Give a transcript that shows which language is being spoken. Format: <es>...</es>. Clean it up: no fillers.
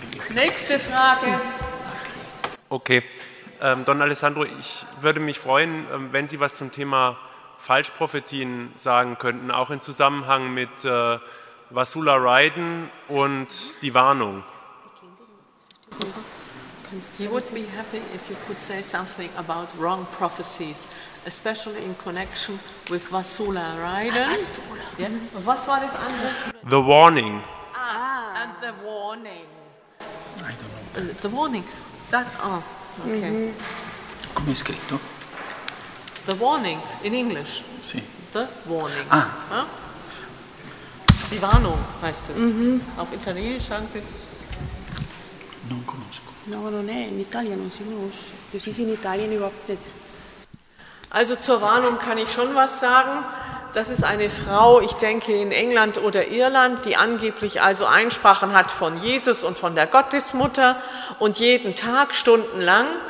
<de>Nächste Frage. Okay, Don Alessandro, ich würde mich freuen, wenn Sie was zum Thema Falschprophetien sagen könnten, auch in Zusammenhang mit Vasula Raiden und die Warnung.</de> <en>He would be happy if you could say something about wrong prophecies, especially in connection with Vasula Raiden. Yeah.</en> <de>Was war das andere?</de> <en>The warning. Ah. And the warning. I don't know. The warning. That, oh, okay. Mm-hmm.</en> <it>Come è scritto?</it> <en>The warning in English.</en> <it>Sì.</it> <en>The warning. Ah.</en> <de>Die Warnung heißt es. Mm-hmm. Auf Italienisch sagen sie es.</de> <it>Non conosco. No, non è in Italia, non si conosce.</it> <de>Das ist in Italien überhaupt nicht. Also zur Warnung kann ich schon was sagen. Das ist eine Frau, ich denke in England oder Irland, die angeblich also Einsprachen hat von Jesus und von der Gottesmutter und jeden Tag stundenlang.</de>